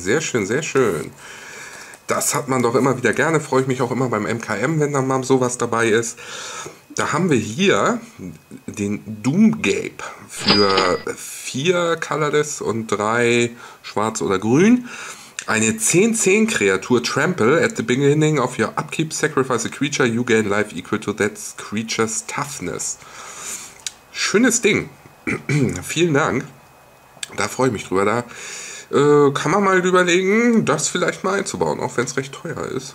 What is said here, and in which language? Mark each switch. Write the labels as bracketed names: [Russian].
[German] Sehr schön, sehr schön. Das hat man doch immer wieder gerne. Freue ich mich auch immer beim MKM, wenn da mal sowas dabei ist. Da haben wir hier den Doomgape für 4 Colorless und 3 Schwarz oder Grün. Eine 10-10 Kreatur, [English] Trample, at the beginning of your upkeep, sacrifice a creature, you gain life equal to that creature's toughness. [German] Schönes Ding. Vielen Dank. Da freue ich mich drüber. Da kann man mal überlegen, das vielleicht mal einzubauen, auch wenn es recht teuer ist.